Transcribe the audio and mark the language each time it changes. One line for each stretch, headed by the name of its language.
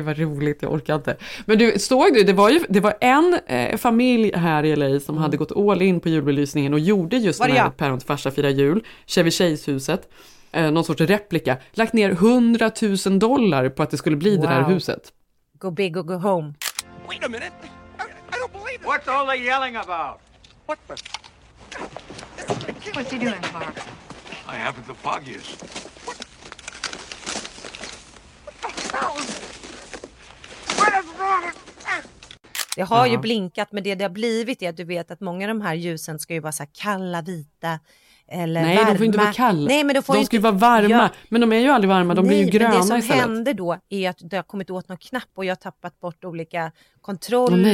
Swedish: Gud vad roligt, jag orkar inte. Men du, såg du, det var en familj här i LA som hade gått all in på julbelysningen och gjorde just den här päron till farsa fira jul, Chevy Chase-huset, någon sorts replika. Lagt ner $100,000 på att det skulle bli det där huset.
English: Go big or go home. Wait a minute. I don't believe it. What's all the yelling about? What the? What's he doing, Clark? I haven't the foggiest. What the hell? What is wrong?
Swedish: Det har ju blinkat, men det har blivit är att du vet att många av de här ljusen ska ju vara så här kalla, vita eller nej, varma. Nej, de får inte vara kalla. Nej, men de får ju inte... ska ju vara varma. Ja. Men de är ju aldrig varma, de blir ju gröna istället. Det som händer då är att det har kommit åt någon knapp och jag har tappat bort olika kontroller.